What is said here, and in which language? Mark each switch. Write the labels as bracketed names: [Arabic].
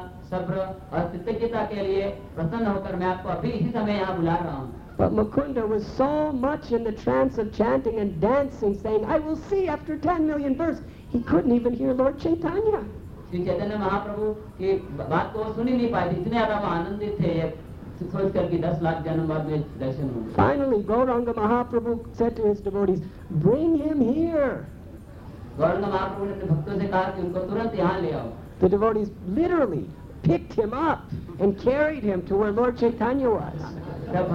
[Hindi] सब्र और कृतज्ञता के लिए प्रसन्न होकर मैं आपको अभी इसी समय यहाँ बुला रहा हूँ. [English] But Mukunda was so much in the trance of chanting and dancing, saying, "I will see after 10 million births," he couldn't even hear Lord Chaitanya. [Hindi] Shri Chaitanya Mahaprabhu की बात को सुन ही नहीं पाए थे, इतने ज्यादा वो आनंदित थे सोचकर कि 10 लाख जन्म बाद में दर्शन होंगे. [English] Finally, Gauranga Mahaprabhu said to his devotees, "Bring him here." [Hindi] Gaurang महाप्रभु ने अपने भक्तों से कहा कि उनको तुरंत यहाँ ले आओ. [English] The devotees literally picked him up and carried him to where Lord Chaitanya was.